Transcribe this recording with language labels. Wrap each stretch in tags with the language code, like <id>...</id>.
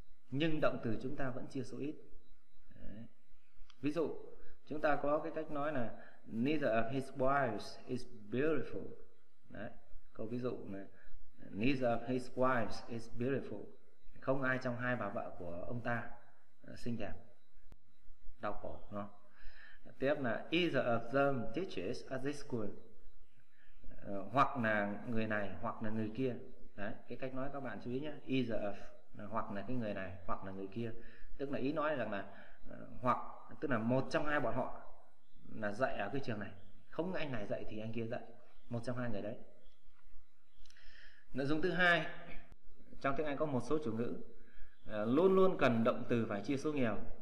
<vi>Nhưng động từ chúng ta vẫn chia số ít. Ví dụ, chúng ta có cái cách nói là</vi> <en>neither of his wives is beautiful.</en> <vi>Đấy, câu ví dụ này,</vi> <en>neither of his wives is beautiful.</en> <vi>Không ai trong hai bà vợ của ông ta xinh đẹp. Đau khổ, đúng không? Tiếp là</vi> <en>either of them teaches at this school.</en> <vi>Hoặc là người này, hoặc là người kia. Đấy, cái cách nói các bạn chú ý nhé. Either of, hoặc là cái người này, hoặc là người kia. Tức là ý nói rằng là hoặc, tức là một trong hai bọn họ là dạy ở cái trường này. Không anh này dạy thì anh kia dạy. Một trong hai người đấy. Nội dung thứ hai, trong tiếng Anh có một số chủ ngữ luôn luôn cần động từ phải chia số nhiều.</vi>